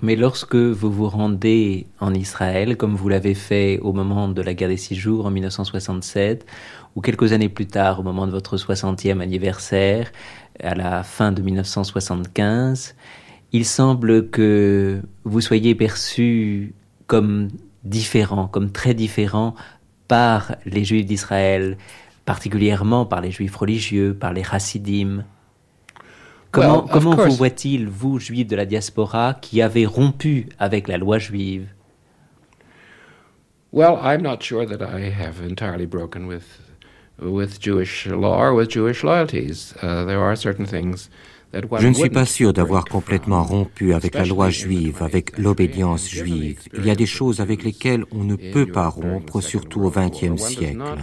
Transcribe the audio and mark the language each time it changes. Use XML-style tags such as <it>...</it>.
<fr>Mais lorsque vous vous rendez en Israël, comme vous l'avez fait au moment de la guerre des Six Jours en 1967, ou quelques années plus tard, au moment de votre 60e anniversaire, à la fin de 1975, il semble que vous soyez perçu comme différent, comme très différent par les Juifs d'Israël, particulièrement par les Juifs religieux, par les Hassidim. Comment vous voit-il, vous, Juifs de la diaspora, qui avez rompu avec la loi juive?</fr> <en>Well, I'm not sure that I have entirely broken with Jewish law or with Jewish loyalties. There are certain things.</en> <fr>Je ne suis pas sûr d'avoir complètement rompu avec la loi juive, avec l'obédience juive. Il y a des choses avec lesquelles on ne peut pas rompre, surtout au XXe siècle.</fr>